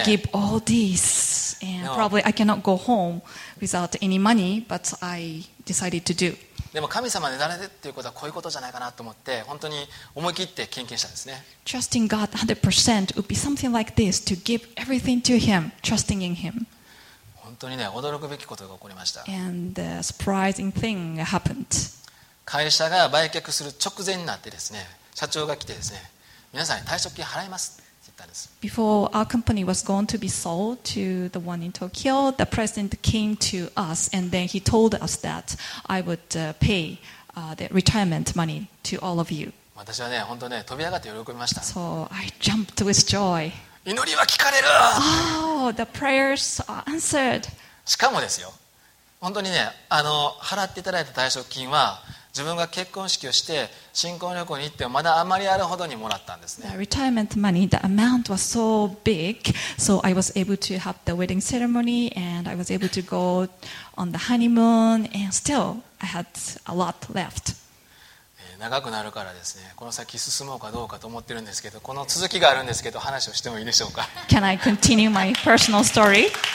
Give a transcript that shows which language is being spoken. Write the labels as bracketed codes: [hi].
[en] I should give all this and probably I cannot go home without any money, but I decided to do. [ja] でも神様に委ねてっていうことはこういうことじゃないかなと思って、本当に思い切って献金したんですね。 [en] Trusting God 100% would be something like this, to give everything to him, trusting in him. [ja] 本当にね、驚くべきことが起こりました。 [en] And the surprising thing happened. [ja] 会社が売却する直前になってですね、社長が来てですね、皆さんに退職金払いますって言ったんです。 [en] Before our company was going to be sold to the one in Tokyo, the president came to us and then he told us that I would pay the retirement money to all of you. [ja] 私はね、本当ね、飛び上がって喜びました。 [en] So I jumped with joy. [ja] 祈りは聞かれる。 [en] Oh, the prayers are answered. [ja] しかもですよ、本当にね、払っていただいた退職金は自分が結婚式をして新婚旅行に行ってもまだあまりあるほどにもらったんですね。 [en] The retirement money, the amount was so big, so I was able to have the wedding ceremony and I was able to go on the honeymoon and still I had a lot left. [ja] 長くなるからですね、この先進もうかどうかと思ってるんですけど、この続きがあるんですけど、話をしてもいいでしょうか。 [en] Can I continue my personal story?